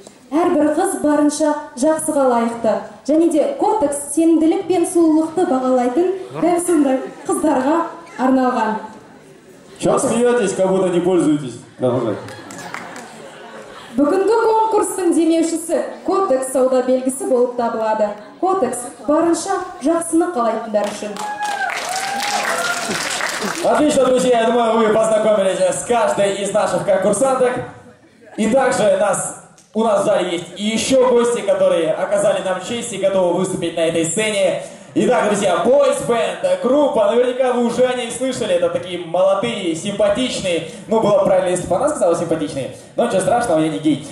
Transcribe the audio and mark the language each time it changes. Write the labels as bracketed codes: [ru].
[kk] Әрбір қыз барынша жақсыға лайықты. Және де кодекс сенімділік пен сұлулықты бағалайтын бәрсіндер қыздарға арналған. [ru] Сейчас смеетесь, как будто не пользуетесь. Давай. [kk] Бүгінгі конкурстың демеушісі кодекс сауда белгісі болып табылады. Кодекс барынша жақсыны қалайтындар үшін. [ru] Отлично, друзья, я думаю, вы познакомились с каждой из наших конкурсанток. И также у нас в зале есть еще гости, которые оказали нам честь и готовы выступить на этой сцене. Итак, друзья, Boys Band, группа, наверняка вы уже о ней слышали, это такие молодые, симпатичные, ну, было правильно, если бы она сказала симпатичные, но ничего страшного, я не гей.